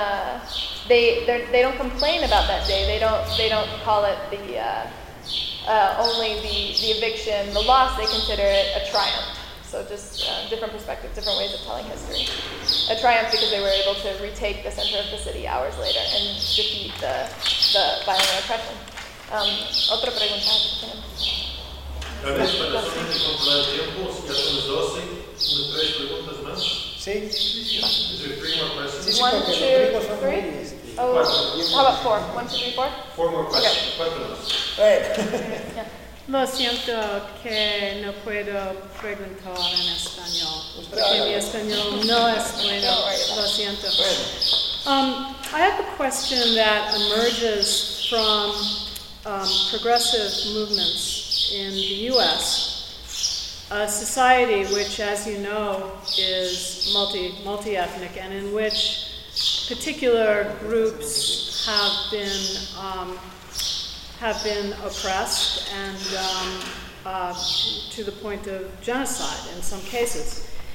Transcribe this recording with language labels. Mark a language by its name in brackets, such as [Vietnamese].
[English] And they don't complain about that day. They don't call it the eviction, the loss. They consider it a triumph. So just different perspectives, different ways of telling history. A triumph because they were able to retake the center of the city hours later and defeat the violent oppression. [Spanish] Otra pregunta. Tal vez para la zona de compra de tiempo, si ya son las 12, unas tres preguntas más. Sí. [English] Is your three more questions? One, two, three? How about four? One, two, three, four? Four more questions. Okay. Cuatro más. [Spanish] Lo siento que no puedo preguntar en español, porque mi español no es bueno. Lo siento. [English] I have a question that emerges from progressive movements in the U.S., a society which, as you know, is multi-ethnic and in which particular groups have been oppressed and to the point of genocide in some cases.